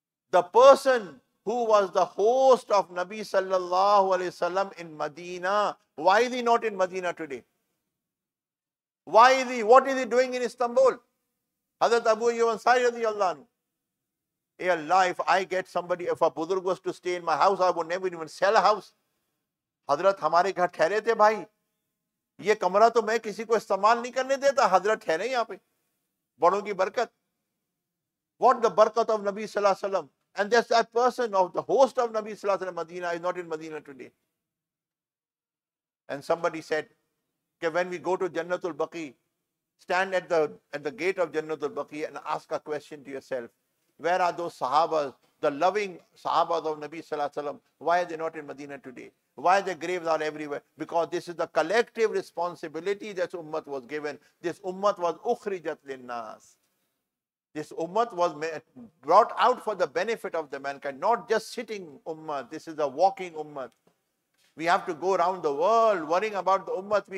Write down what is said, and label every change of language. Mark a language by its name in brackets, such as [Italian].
[English] The person who was the host of Nabi sallallahu alayhi wa sallam in Medina, why is he not in Medina today? Why is he, what is he doing in Istanbul? Hazrat Abu Ayyub Ansari radiallahu anhu. Ya Allah, if I get somebody, if a buzurg was to stay in my house, I would never even sell a house. [Hindi] Hazrat, hamare ghar thehre the bhai. ये कमरा तो मैं किसी को इस्तेमाल नहीं करने देता हजरत ठहरे यहां पे बड़ों की बरकत [English] What the बरकत of नबी सल्लल्लाहु अलैहि वसल्लम and that's that person of the host of नबी सल्लल्लाहु अलैहि वसल्लम Medina is not in Medina today and somebody said के when we go to Jannatul Baqi stand at the gate of Jannatul Baqi and ask a question to yourself where are those सहाबा the loving सहाबा of नबी सल्लल्लाहु अलैहि वसल्लम why are they not in Medina today Why the graves are everywhere? Because this is the collective responsibility that Ummat was given. This Ummat was ukhrijat linnas. This Ummat was brought out for the benefit of the mankind. Not just sitting Ummat. This is a walking Ummat. We have to go around the world worrying about the Ummat.